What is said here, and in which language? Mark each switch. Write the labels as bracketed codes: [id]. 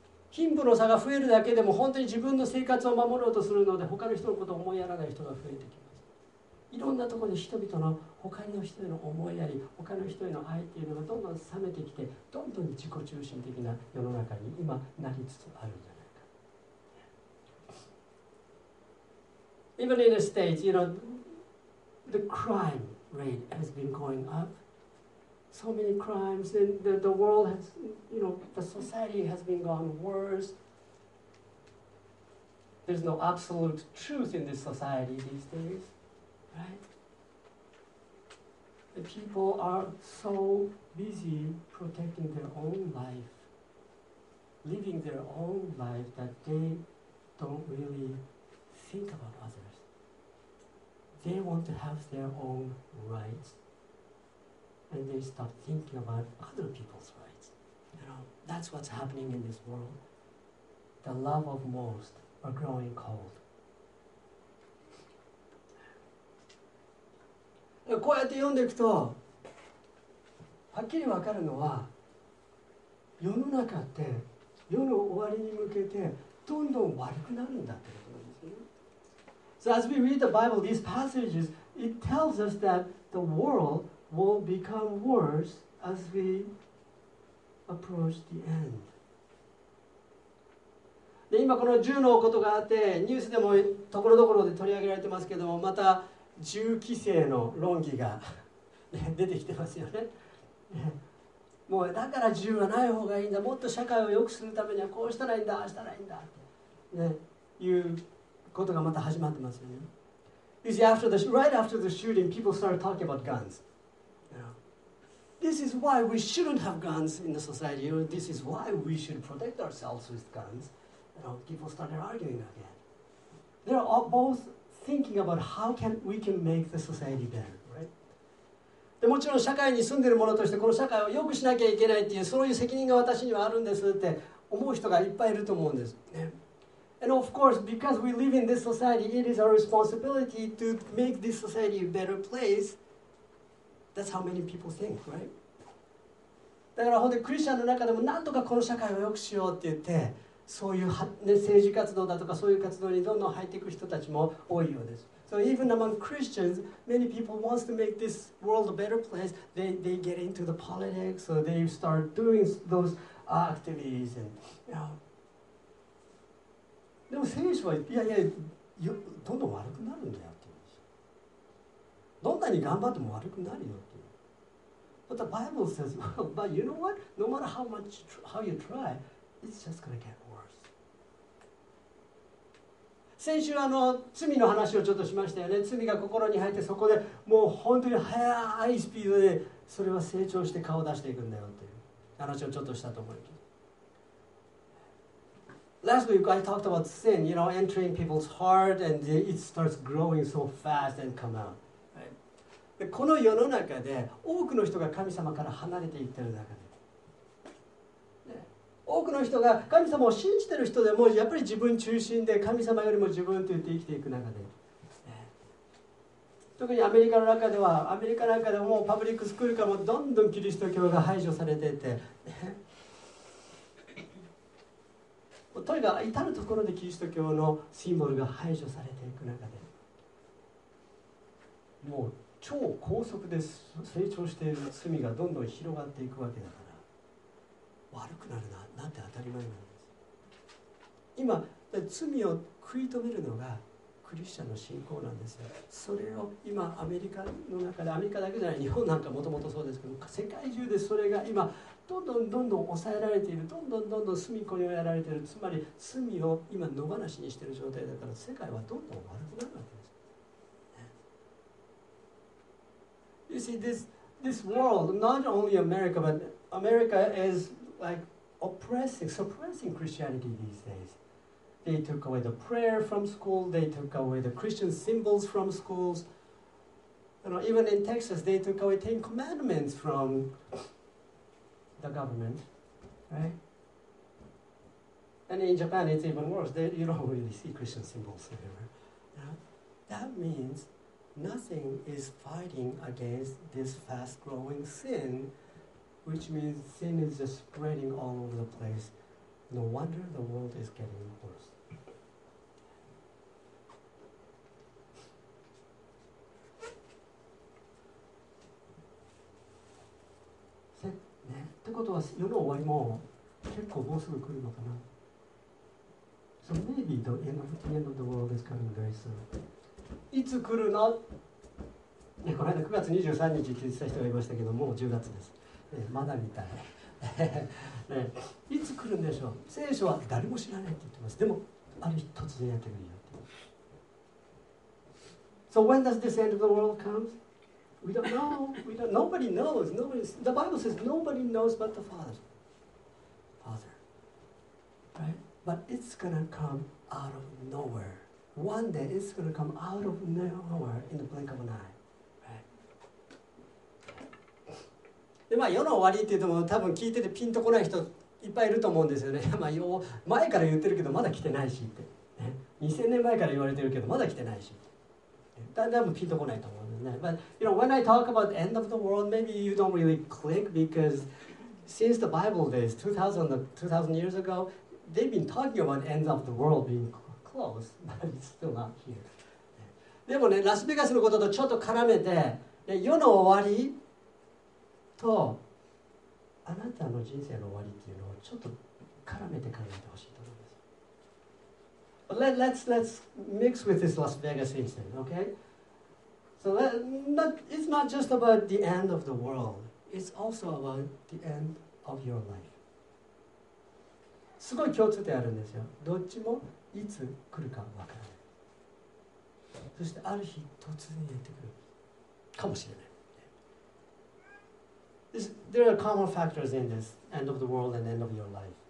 [ja] 貧富の差が増えるだけでも本当に自分の生活を守ろうとするので他の人のことを思いやらない人が増えてきます。いろんなところで人々の他の人への思いやり、他の人への愛っていうのがどんどん冷めてきて、どんどん自己中心的な世の中に今なりつつあるんじゃないか。 [en] Even in the States, you know, the crimerate has been going up. So many crimes, and the world has, you know, the society has been gone worse. There's no absolute truth in this society these days, right? The people are so busy protecting their own life, living their own life, that they don't really think about others. They want to have their own rights, and they stop thinking about other people's rights. You know, that's what's happening in this world. The love of most are growing cold. [ja] こうやって読んでいくと、はっきり分かるのは、世の中って世の終わりに向けてどんどん悪くなるんだって。 [en] So as we read the Bible, these passages, it tells us that the world will become worse as we approach the end. [ja] で、今この銃のことがあって、ニュースでもところどころで取り上げられてますけども、また銃規制の論議が出てきてますよね。もうだから銃はない方がいいんだ、もっと社会を良くするためにはこうしたらいいんだ、ああしたらいいんだって、ね、いうことがまた始まってますよね。 [en] You see, after the, right after the shooting, people started talking about guns. You know, this is why we shouldn't have guns in the society. You know, this is why we should protect ourselves with guns. You know, people started arguing again. They're all both thinking about how can we can make the society better, right? [ja] で、もちろん社会に住んでる者としてこの社会を良くしなきゃいけないっていう、そういう責任が私にはあるんですって思う人がいっぱいいると思うんです。ね。 [en] And of course, because we live in this society, it is our responsibility to make this society a better place. That's how many people think, right? [ja] だから本当にクリスチャンの中でもなんとかこの社会を良くしようって言って、そういう、ね、政治活動だとかそういう活動にどんどん入っていく人たちも多いようです。 [en] So even among Christians, many people want to make this world a better place. They get into the politics, so they start doing those activities and, you know, [ja] でも聖書はいやどんどん悪くなるんだよって言うんですよ。どんなに頑張っても悪くなるよって言う。 [en] But the Bible says, well, but you know what? No matter how much how you try, it's just gonna get worse. [ja] 先週罪の話をちょっとしましたよね。罪が心に入ってそこでもう本当に速いスピードでそれは成長して顔を出していくんだよっていう話をちょっとしたと思います。 [en] Last week I talked about sin, you know, entering people's heart and it starts growing so fast and come out. Right. [ja] この世の中で多くの人が神様から離れていってる中で、ね、多くの人が神様を信じている人でもやっぱり自分中心で神様よりも自分と言って生きていく中で、特にアメリカの中では、アメリカなんかでもパブリックスクールからもどんどんキリスト教が排除されていて、とにかく至る所でキリスト教のシンボルが排除されていく中で、もう超高速で成長している罪がどんどん広がっていくわけだから、悪くなるななんて当たり前なんです。今罪を食い止めるのがクリスチャンの信仰なんですよ。それを今アメリカの中で、アメリカだけじゃない、日本なんかもともとそうですけど、世界中でそれが今どんどんどんどん抑えられている、どんどんどんどん隅っこにやられている、つまり罪を今野放しにしている状態だから、世界はどんどん悪くなるわけです。 [en] You see, this world, not only America, but America is like suppressing Christianity these days. They took away the prayer from school, they took away the Christian symbols from schools. You know, even in Texas, they took away 10 commandments from the government, right? And in Japan, it's even worse. You don't really see Christian symbols anywhere. Yeah? That means nothing is fighting against this fast-growing sin, which means sin is just spreading all over the place. No wonder the world is getting worse. [ja] ということは、世の終わりも結構もうすぐ来るのかな。 [en] So maybe the end of the world is coming very soon. [ja] いつ来るの、ね、この間9月23日って言ってた人がいましたけど、もう10月です、ね、まだ見たい、ね、いつ来るんでしょう。聖書は誰も知らないって言ってます。でもある日突然やってくるよって。 [en] So when does this end of the world comes? We don't know. Nobody knows. The Bible says nobody knows but the Father. Father. Right? But it's going to come out of nowhere. One day it's going to come out of nowhere in the blink of an eye. Right? [ja] で、まあ、世の終わりって言っても多分聞いててピンとこない人いっぱいいると思うんですよね。まあ、前から言ってるけどまだ来てないしって、ね。2000年前から言われてるけどまだ来てないし。だんだんピンとこないと思う。 [en] But you know, when I talk about the end of the world, maybe you don't really click because since the Bible days, 2000 years ago, they've been talking about the end of the world being close, but it's still not here. [ja] でもね、ラスベガスのこととちょっと絡めて、世の終わりとあなたの人生の終わりっていうのをちょっと絡めて考えてほしいと思います。 [en] Let's mix with this Las Vegas incident, okay? So it's not just about the end of the world. It's also about the end of your life. [ja] すごい共通点あるんですよ。どっちもいつ来るかわからない。そしてある日突然やってくるかもしれない。 [en] There are common factors in this end of the world and end of your life.